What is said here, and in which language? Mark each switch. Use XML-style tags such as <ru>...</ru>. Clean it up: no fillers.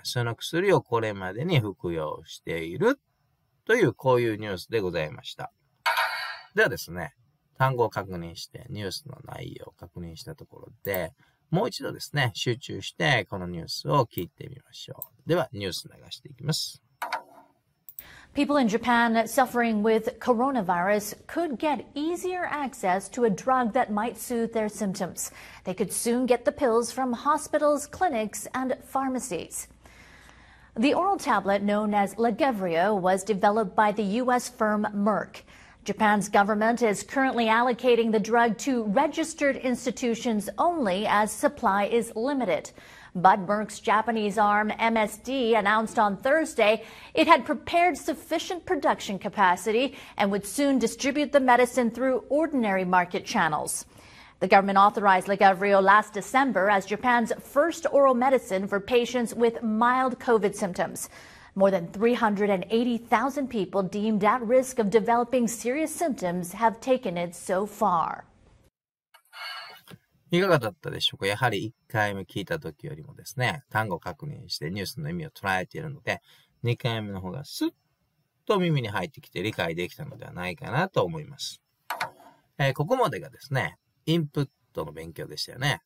<ja>その薬をこれまでに服用しているというこういうニュースでございました。ではですね、単語を確認してニュースの内容を確認したところで、もう一度ですね、集中してこのニュースを聞いてみましょう。ではニュース流していきます。</ja> <en>People in Japan suffering with coronavirus could get easier access to a drug that might soothe their symptoms. They could soon get the pills from hospitals, clinics, and pharmacies. The oral tablet known as Lagevrio was developed by the U.S. firm Merck. Japan's government is currently allocating the drug to registered institutions only as supply is limited. But Merck's Japanese arm, MSD, announced on Thursday it had prepared sufficient production capacity and would soon distribute the medicine through ordinary market channels. The government authorized Lagevrio last December as Japan's first oral medicine for patients with mild COVID symptoms. More than 380,000 people deemed at risk of developing serious symptoms have taken it so far.</en> <ja>いかがだったでしょうか。やはり1回目聞いた時よりもですね、単語確認してニュースの意味を捉えているので、2回目の方がスッと耳に入ってきて理解できたのではないかなと思います。ここまでがですね、インプットの勉強でしたよね。</ja>